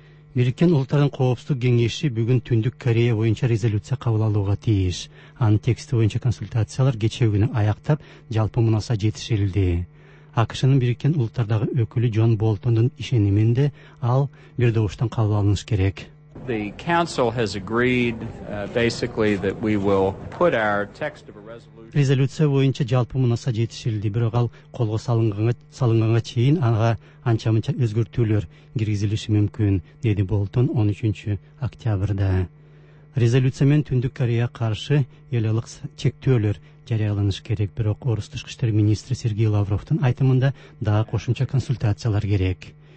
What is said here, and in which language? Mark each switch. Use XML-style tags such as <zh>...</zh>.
<ky>Бириккен Улуттардын Коопсуздук Кеңеши бүгүн Түндүк Корея боюнча резолюция кабыл алууга тийиш. Анын тексти боюнча консультациялар кечээ күнү аяктап, жалпы мунаса жетишилди. АКШнын Бириккен Улуттардагы өкүлү Джон Болтондун ишениминде ал бир добуштан кабыл алыныш керек.</ky> <en>The council has agreed basically that we will put our text of a resolution.</en> <ky>Резолюция боюнча жалпы мунаса жетишилди, бирок ал колго салынганга чейин ага анча-мынча өзгөртүүлөр киргизилиши мүмкүн, деди Болтон 13 октябрда. Резолюция менен Түндүк Корея каршы эл алык чектөөлөр жарыяланыш керек, бирок Орус тышкы иштер министри Сергей Лавровдун айтымында дагы кошумча консультациялар керек.</ky>